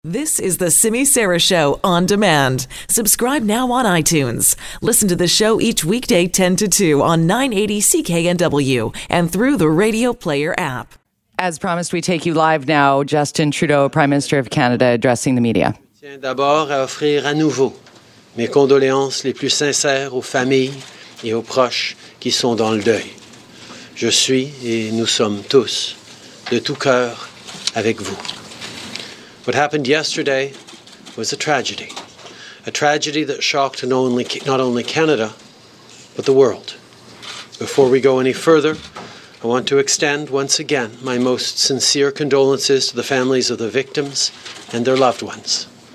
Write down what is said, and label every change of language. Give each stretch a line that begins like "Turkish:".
English: This is the Simi Sarah Show on demand. Subscribe now on iTunes. Listen to the show each weekday 10 to 2 on 980 CKNW and through the Radio Player app. As promised, we take you live now. Justin Trudeau, Prime Minister of Canada, addressing the media.
French: Tiens d'abord à offrir à nouveau mes condoléances les plus sincères aux familles et aux proches qui sont dans le deuil. Je suis et nous sommes tous de tout cœur avec vous.
English: What happened yesterday was a tragedy that shocked not only Canada, but the world. Before we go any further, I want to extend once again my most sincere condolences to the families of the victims and their loved ones.